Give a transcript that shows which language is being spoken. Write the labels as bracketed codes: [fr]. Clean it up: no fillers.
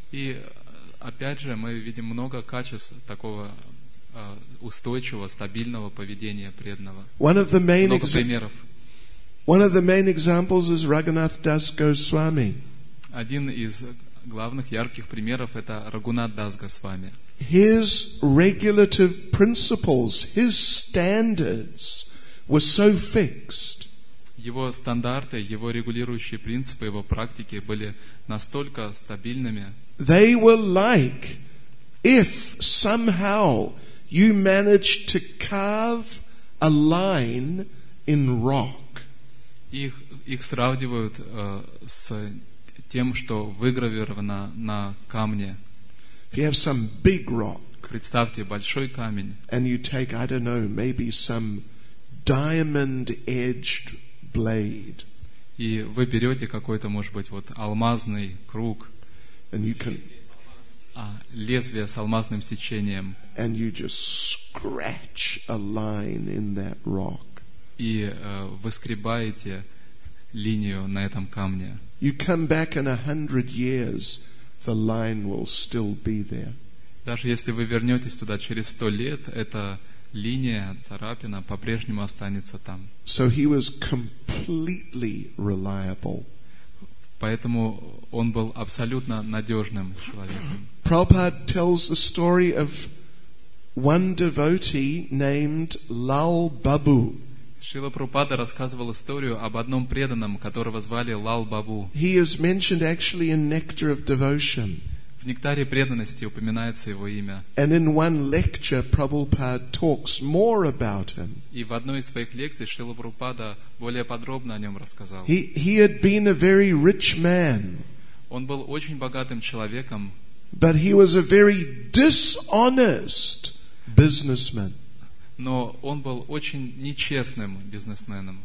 [ru] И опять же, мы видим много качеств такого устойчивого, стабильного поведения преданного. [en] One of the main [ru] примеров. [en] One of the main examples is Raghunath Das Goswami. [ru] Один из главных ярких примеров это Рагунат Дас Госвами. [en] His regulative principles, his standards were so fixed. [ru] Его стандарты, его регулирующие принципы, его практики были настолько стабильными. [en] They were like if somehow you managed to carve a line in rock. [ru] Их сравнивают с тем, что выгравировано на камне. [en] If you have some big rock, [ru] представьте большой камень, [en] and you take, I don't know, maybe some diamond-edged blade, [ru] и вы берете какой-то, может быть, вот алмазный круг, [en] and you can, [ru] лезвие с алмазным сечением, [en] and you just scratch a line in that rock, [ru] и выскребаете линию на этом камне. [en] You come back in 100 years. The line will still be there. [ru] Даже если вы вернетесь туда через 100 лет, эта линия, царапина по-прежнему останется там. [en] So he was completely reliable. [ru] Поэтому он был абсолютно надежным человеком. [en] Prabhupada tells the story of one devotee named Lal Babu. [ru] Шрила Прабхупада рассказывал историю об одном преданном, которого звали Лал Бабу. [en] He is mentioned actually in Nectar of Devotion. [ru] В Нектаре преданности упоминается его имя. [en] And in one lecture, Prabhupada talks more about him. [ru] И в одной из своих лекций Шрила Прабхупада более подробно о нем рассказал. [en] He had been a very rich man. [ru] Он был очень богатым человеком. [en] But he was a very dishonest businessman. [ru] Но он был очень нечестным бизнесменом.